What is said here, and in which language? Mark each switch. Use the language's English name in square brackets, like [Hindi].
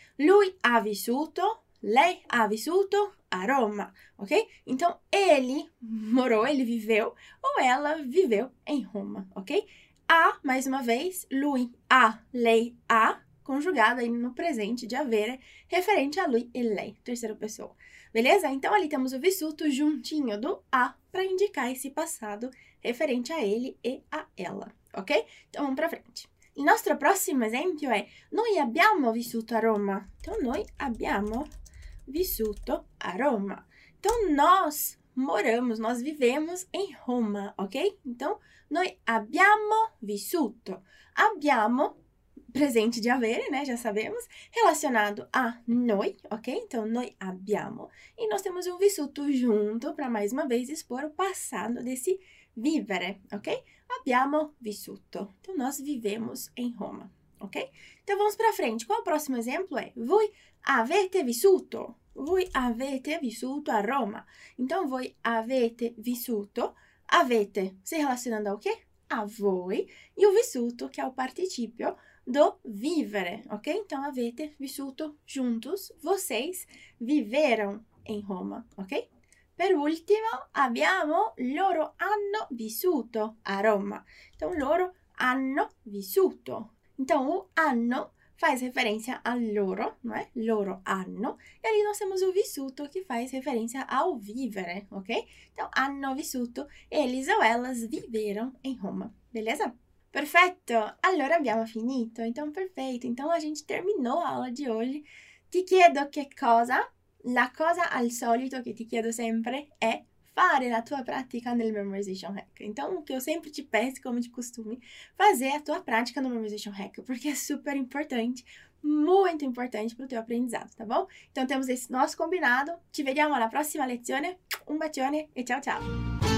[Italian] Lui ha vissuto, lei ha vissuto a Roma, ok? [Portuguese] Então ele morou, ele viveu ou ela viveu em Roma, ok? A, mais uma vez, lui, a, lei, a, conjugada aí no presente de avere, referente a lui e lei, terceira pessoa. Beleza? Então, ali temos o vissuto juntinho do a para indicar esse passado referente a ele e a ela, ok? Então, vamos para frente. [Italian] Il nostro prossimo esempio è noi abbiamo vissuto a Roma. [Portuguese] Então, [Italian] noi abbiamo vissuto a Roma. [Portuguese] Então, nós moramos, nós vivemos em Roma, ok? Então, [Italian] noi abbiamo vissuto. [Portuguese] Abbiamo, presente de avere, né? Já sabemos, relacionado a noi, ok? Então, noi abbiamo. E nós temos um vissuto junto para mais uma vez expor o passado desse vivere, ok? Abbiamo vissuto. Então, nós vivemos em Roma, ok? Então, vamos para frente. Qual o próximo exemplo é? [Italian] Voi avete vissuto. Voi avete vissuto a Roma. [Portuguese] Então, voi avete vissuto, avete, se relacionando ao quê? A voi. E o vissuto, che è o participio do vivere, ok? Então, avete vissuto juntos, vocês viveram em Roma, ok? [Italian] Per ultimo, abbiamo loro hanno vissuto a Roma. [Portuguese] Então, [Italian] loro hanno vissuto. [Portuguese] Então, o hanno faz referência a loro, não é? Loro hanno. E ali nós temos o vissuto que faz referência ao vivere, ok? Então, hanno vissuto, eles ou elas viveram em Roma, beleza? [Italian] Perfetto! Allora abbiamo finito. [Portuguese] Então, perfeito. Então, a gente terminou a aula de hoje. [Italian] Ti chiedo che cosa? La cosa al solito che ti chiedo sempre è fare la tua pratica nel Memorization Hack. [Portuguese] Então, o que eu sempre te peço, como de costume, fazer a tua prática no Memorization Hack, porque é super importante, muito importante para o teu aprendizado, tá bom? Então, temos esse nosso combinado. Te vediamo na próxima lezione. Um bacione e tchau, tchau!